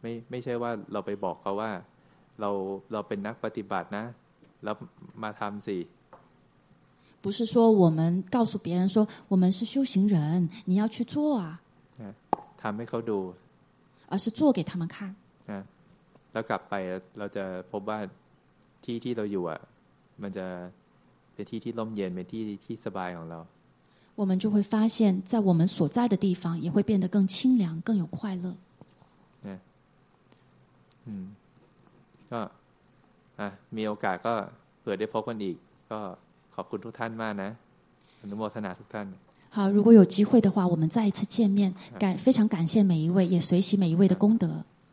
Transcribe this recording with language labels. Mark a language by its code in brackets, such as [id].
[th] ไม่ใช่ว่าเราไปบอกเขาว่าเราเป็นนักปฏิบัตินะแล้วมาทำสิ [zh] 不是说我们告诉别人说我们是修行人你要去做啊 [th] ทำให้เขาดู [zh] 而是做给他们看 [th] แล้วกลับไปเราจะพบว่าที่ที่เราอยู่อ่ะมันจะเป็นที่ที่ร่มเย็นเป็นที่ที่สบายของเรา [zh] 我们就会发现在我们所在的地方也会变得更清凉更有快乐 [th] ก็มีโอกาสก็เผื่อได้พบกันอีกก็ขอบคุณทุกท่านมากนะอนุโมทนาทุกท่าน [zh] 好如果有机会的话我们再一次见面感非常感谢每一位也随喜每一位的功德